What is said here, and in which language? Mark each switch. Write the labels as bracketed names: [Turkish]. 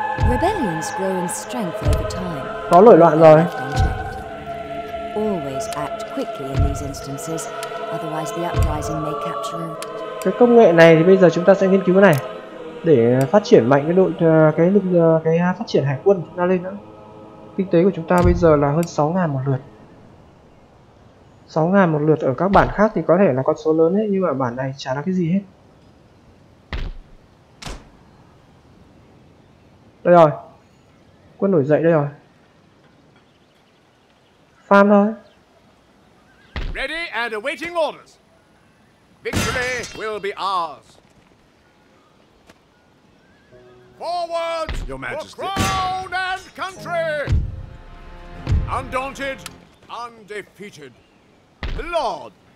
[English] Rebellions grow in strength over time. [Vietnamese] Có nổi loạn rồi. [English] Always act quickly in these instances, otherwise the uprising may capture. [Vietnamese] Cái công nghệ này thì bây giờ chúng ta sẽ nghiên cứu cái này. để phát triển mạnh cái đội cái phát triển hải quân của chúng ta lên nữa. Kinh tế của chúng ta bây giờ là hơn 6.000 một lượt. 6.000 một lượt ở các bản khác thì có thể là con số lớn đấy, nhưng mà bản này chả là cái gì hết. Đây rồi, quân nổi dậy đây rồi. Farm thôi. [English] Ready and awaiting orders. Victory will be ours. Forward, Your Majesty. For crown and country. Undaunted, undefeated. The Lord.